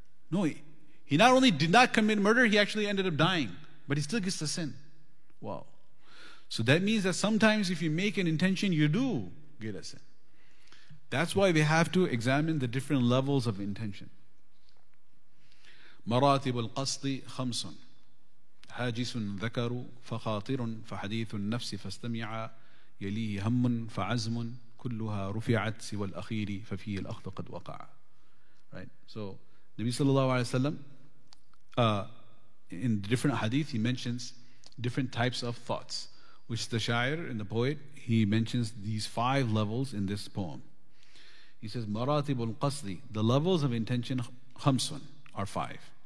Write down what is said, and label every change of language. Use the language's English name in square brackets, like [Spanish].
[English] No, he not only did not commit murder, he actually ended up dying. But he still gets the sin. Wow. So that means that sometimes if you make an intention, you do get a sin. That's why we have to examine the different levels of intention. [Arabic] مراتب القصد خمس هاجس ذكر فخاطر فحديث النفس فاستمع يليه هم فعزم كلها رفعت سوى الأخير ففيه الأخذ قد وقع. [English] Right. So Nabi sallallahu alayhi wa sallam, in different hadith, he mentions different types of thoughts, which the shair and the poet, he mentions these five levels in this poem. He says, [Arabic] مراتب القصد, [English] the levels of intention [Arabic] خمسون [English] are five.